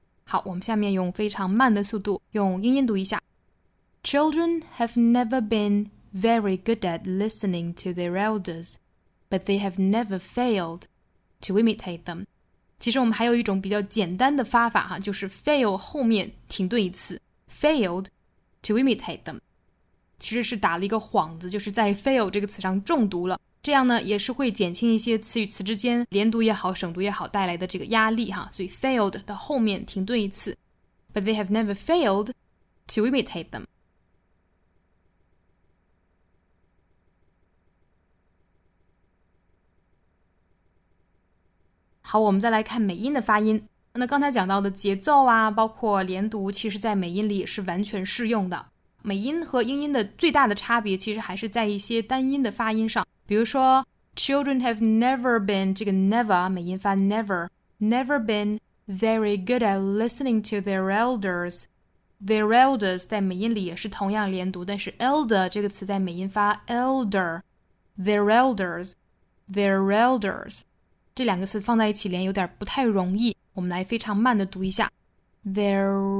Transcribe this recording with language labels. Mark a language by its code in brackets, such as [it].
[zh] 好，我们下面用非常慢的速度用英音读一下。 [en] Children have never been very good at listening to their elders, but they have never failed to imitate them. [zh] 其实我们还有一种比较简单的发法哈，就是 fail 后面停顿一次， [en] failed to imitate them， [zh] 其实是打了一个幌子，就是在 fail 这个词上重读了，这样呢也是会减轻一些词与词之间连读也好省读也好带来的这个压力哈，所以 failed 的后面停顿一次 [en] But they have never failed to imitate them [zh] 好，我们再来看美音的发音。那刚才讲到的节奏啊，包括连读，其实在美音里也是完全适用的。美音和英音的最大的差别其实还是在一些单音的发音上。比如说 [en] Children have never been [zh] 这个 never 美音发 never [en] Never been very good at listening to their elders [zh] Their elders 在美音里也是同样连读，但是 elder 这个词在美音发 elder Their elders Their elders这两个词放在一起连有点不太容易，我们来非常慢的读一下 Their